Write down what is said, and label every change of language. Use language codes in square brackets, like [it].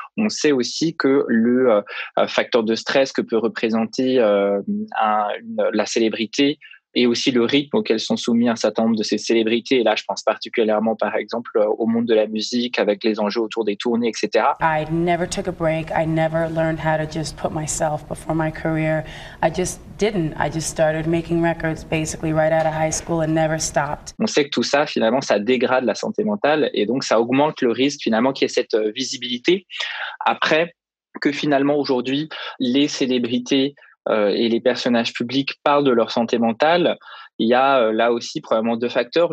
[fr] On sait aussi que le facteur de stress que peut représenter la célébrité et aussi le rythme auquel sont soumis un certain nombre de ces célébrités. Et là, je pense particulièrement, par exemple, au monde de la musique, avec les enjeux autour des tournées, etc. [en] I never took a break. I never learned how to just put myself before my career. I just didn't. I just started making records basically right out of high school and never stopped. [fr] On sait que tout ça, finalement, ça dégrade la santé mentale et donc ça augmente le risque, finalement, qu'il y ait cette visibilité. Après, que finalement, aujourd'hui, les célébrités et les personnages publics parlent de leur santé mentale, il y a là aussi probablement deux facteurs.